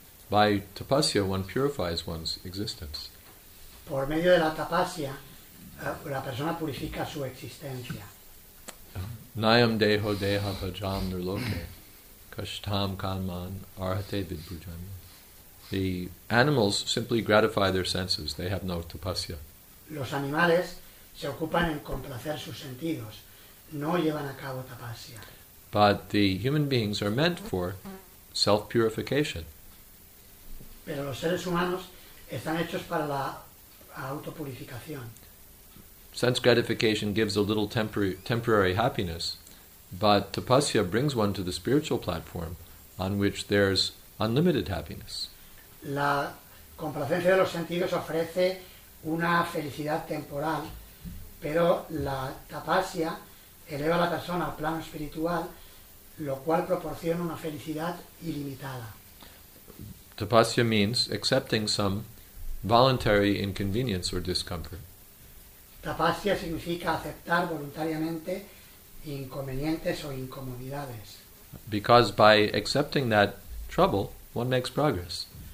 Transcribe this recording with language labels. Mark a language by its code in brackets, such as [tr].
[en] By tapasya one purifies one's existence. [es] Por medio de la tapasya la persona purifica su existencia. [sa] Nayam deho deha bhajam nirloke kashtam kanman arhate vidbhujam. [en] The animals simply gratify their senses. They have no tapasya. [es] Los animales se ocupan en complacer sus sentidos. No llevan a cabo tapasya. [en] But the human beings are meant for self-purification. [es] Pero los seres humanos están hechos para la autopurificación. [en] Sense gratification gives a little temporary happiness, but tapasya brings one to the spiritual platform on which there's unlimited happiness. [es] La complacencia de los sentidos ofrece una felicidad temporal, pero la tapasya eleva a la persona al plano espiritual, lo cual proporciona una felicidad ilimitada. [en] Tapasya means accepting some voluntary inconvenience or discomfort. [es] Tapasya significa aceptar voluntariamente inconvenientes o incomodidades. [en] Because by accepting that trouble, one makes progress.